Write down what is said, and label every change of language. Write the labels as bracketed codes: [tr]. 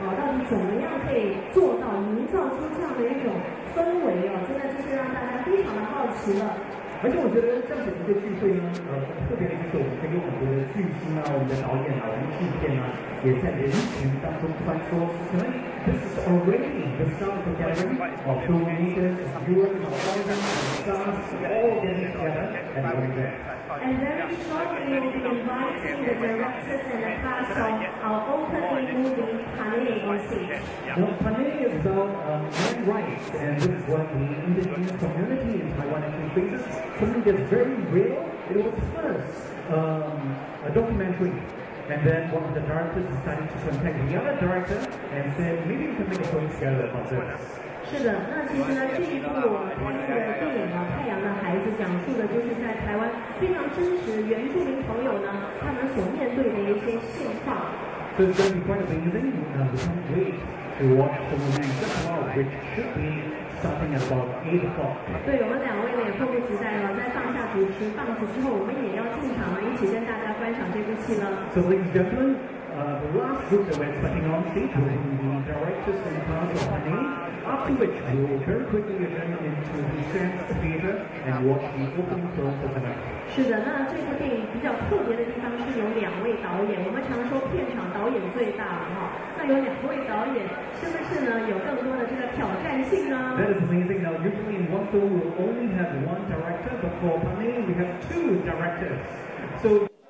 [zh] 到底怎么样可以做到营造出这样的一种氛围哦？现在就是让大家非常的好奇了。而且我觉得这样子一个聚会呢，特别的就是我们可以有很多的巨星啊，我们的导演啊，我们制片啊，也在人群当中穿梭。 [en] This is already the sound of gathering of filmmakers, viewers, our audience, and stars all getting together and doing that. And very shortly, we'll be inviting the directors and the cast of our opening movie, Panini, on stage. Now, Panini is about men's rights, and this is what the indigenous community in Taiwan actually faces. Something that's very real. It was first a documentary. And then one of the directors decided to contact the other director and said, maybe we can make a film together about this. [zh] 是的，那其实呢，这一部我们拍摄的电影呢，《太阳的孩子》讲述的就是在台湾非常真实原住民朋友呢，他们所面对的一些现状。 [en] So it's going to be quite amazing. We can't wait to watch the movie just now, which should be something about 8 o'clock. [zh] 对，我们两位呢也迫不及待了，在放下主持棒子之后，我们也要进场了，一起跟大家观赏这部戏了。 [en] So ladies and gentlemen, the last group that we're expecting on stage will be the directors and cast of Panini, after which we will very quickly return into the Sands Theatre and watch the opening film for tonight. [zh] 是的，那这部电影比较特别的地方是有两位导演，我们常说片场导演最大了哈。那有两位导演，是不是呢有更多的这个挑战性呢 [en] ？That is amazing. Now usually in one film we only have one director, but for Panini we have two directors. So.